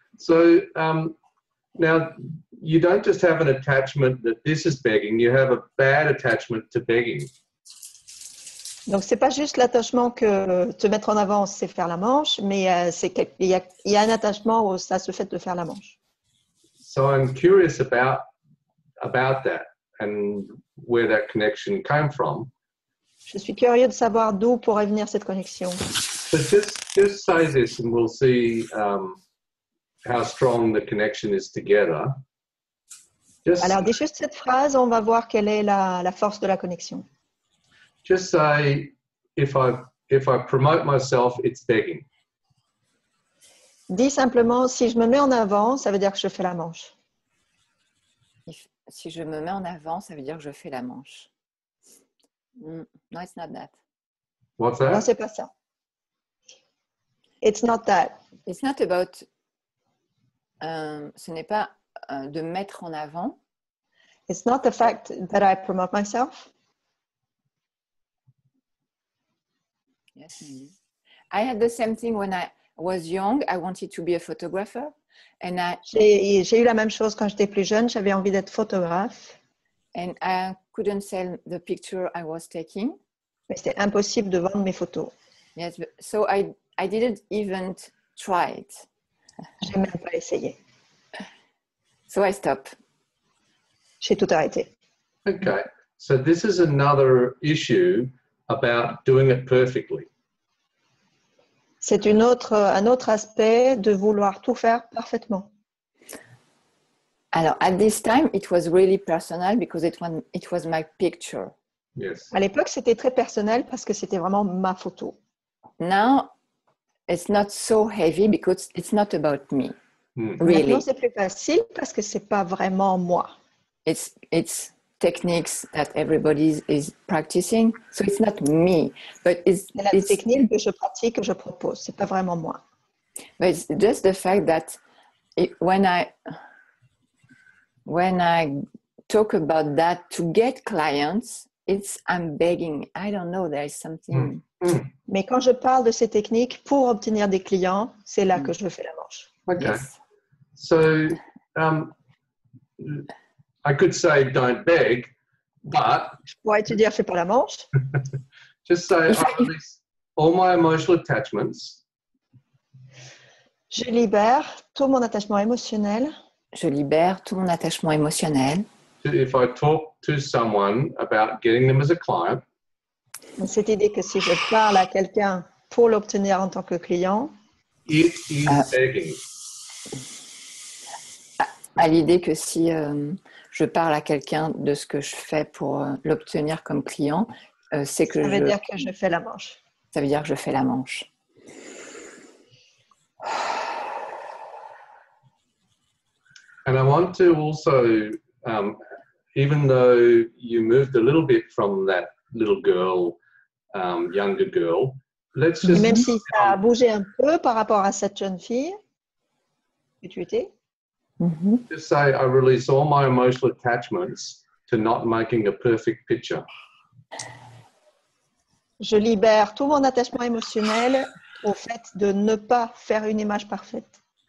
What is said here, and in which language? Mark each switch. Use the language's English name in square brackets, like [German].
[English] So, now, you don't just have an attachment that this is begging. You have a bad attachment to begging. [French] Donc, c'est pas juste l'attachement que te mettre en avant, c'est faire la manche, mais il y a un attachement où ça se fait de faire la manche. [English] So, I'm curious about that. And where that connection came from. [French] Je suis curieux de savoir d'où pourrait venir cette connexion. [English] But just say this and we'll see how strong the connection is together. [French] Just, alors, dis juste cette phrase, on va voir quelle est la force de la connexion. [English] Just say, if I promote myself, it's begging. [French] Dis simplement, si je me mets en avant, ça veut dire que je fais la manche. Si je me mets en avant, ça veut dire que je fais la manche. [English] No, it's not that. What's that? [French] Non, c'est pas ça. [English] It's not that. It's not about... [French] ce n'est pas de mettre en avant. [English] It's not the fact that I promote myself. Yes, maybe. I had the same thing when I was young. I wanted to be a photographer. And [French] j'ai eu la même chose quand j'étais plus jeune. J'avais envie d'être photographe. [English] And I couldn't sell the picture I was taking. [French] Mais c'était impossible de vendre mes photos. [English] Yes, so I didn't even try it. [French] J'ai même pas essayé. [English] So I stopped. [French] J'ai tout arrêté. [English] Okay, so this is another issue about doing it perfectly. [French] C'est un autre aspect de vouloir tout faire parfaitement. [English] Alors, at this time, it was really personal because it was my picture. Yes. [French] À l'époque, c'était très personnel parce que c'était vraiment ma photo. [English] Now, it's not so heavy because it's not about me. Really. [French] Maintenant, c'est plus facile parce que c'est pas vraiment moi. [English] It's techniques that everybody is practicing, so it's not me, but it's [French] technique que je pratique, que je propose. C'est pas vraiment moi. [English] But it's just the fact that when I talk about that to get clients, I'm begging. I don't know, there is something. Mm. Mm. [French] Mais quand je parle de ces techniques pour obtenir des clients, c'est là que je fais la manche. [English] Okay. Yes. So. I could say don't beg, but. [French] Je pourrais te dire fais pas la manche. [English] Just say all my emotional attachments. [French] Je libère tout mon attachement émotionnel. Je libère tout mon attachement émotionnel. [English] If I talk to someone about getting them as a client. [French] Cette idée que si je parle à quelqu'un pour l'obtenir en tant que client. [English] It is begging. [French] À l'idée que si je parle à quelqu'un de ce que je fais pour l'obtenir comme client, c'est que ça veut dire que je fais la manche. Ça veut dire que je fais la manche. [English] And I want to also, even though you moved a little bit from that little girl, younger girl, let's just. [French] Même si ça a bougé un peu par rapport à cette jeune fille que tu étais. [English] Mm-hmm. Just say, I release all my emotional attachments to not making a perfect picture. [French] Je libère tout mon attachement émotionnel au fait de ne pas faire une image parfaite.